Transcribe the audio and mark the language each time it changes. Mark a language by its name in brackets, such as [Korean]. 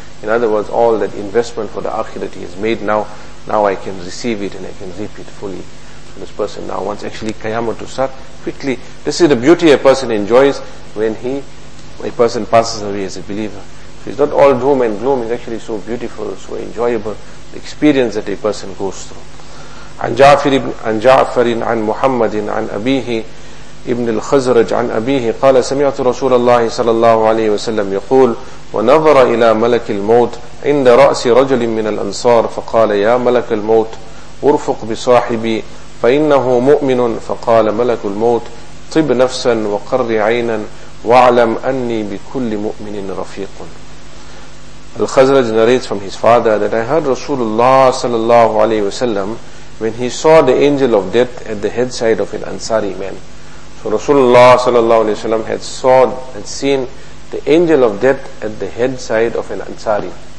[English] In other words, all that investment for the akhirah he has made now I can receive it and I can reap it fully. So this person now wants actually qiyamah to start quickly. This is the beauty a person enjoys when a person passes away as a believer. So it's not all doom and gloom, it's actually so beautiful, so enjoyable, the experience that a person goes through. [Arabic] عن جعفر عن محمد عن أبيه ابن الخزرج عن أبيه قال سمعت رسول الله صلى الله عليه وسلم يقول ونظر إلى ملك الموت عند رأس رجل من الأنصار فقال يا ملك الموت ارفق بصاحبي فإنه مؤمن فقال ملك الموت طب نفسا وقر عينا واعلم أني بكل مؤمن رفيق. [English] الخزرج narrates from his father that I heard Rasulullah [Arabic] صلى الله عليه وسلم [English] when he saw the angel of death at the headside of an Ansari man. So Rasulullah [Arabic] sallallahu alayhi wa sallam [English] had seen the angel of death at the headside of an Ansari.